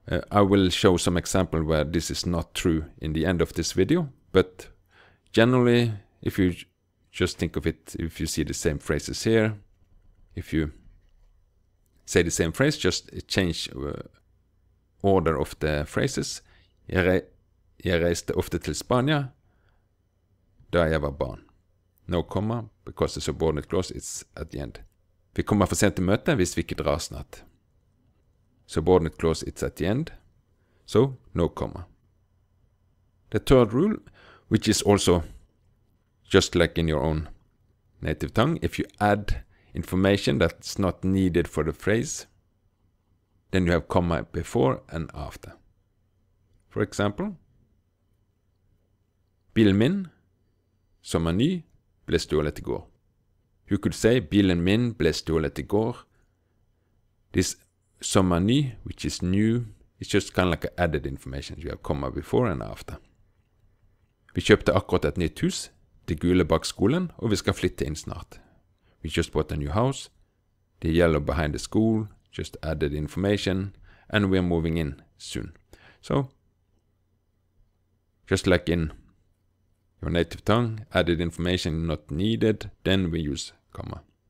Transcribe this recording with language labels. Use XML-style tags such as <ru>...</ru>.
<en>I will show some example where this is not true in the end of this video, but generally, if you just think of it, if you see the same phrases here, if you say the same phrase, just change order of the phrases.</en> <no>Jeg reiste ofte til Spania, da jeg var barn.</no> <en>No comma, because the subordinate clause is at the end.</en> <no>Vi kommer for sent til møte hvis vi ikke drar snart.</no> <en>Subordinate clause, it's at the end. So, no comma. The third rule, which is also just like in your own native tongue, if you add information that's not needed for the phrase, then you have comma before and after. For example,</en> <no>bilen min, som ny, ble stjålet i går.</no> <en>You could say,</en> <no>bilen min ble stjålet i går.</no> <en>This som ny, which is new, it's just kind of like added information. You have comma before and after.</en> <no>Vi kjøpte akkurat et nytt hus, det gule bak skolen, og vi skal flytte inn snart.</no> <en>We just bought a new house, the yellow behind the school, just added information, and we are moving in soon. So, just like in your native tongue, added information not needed, then we use comma.</en>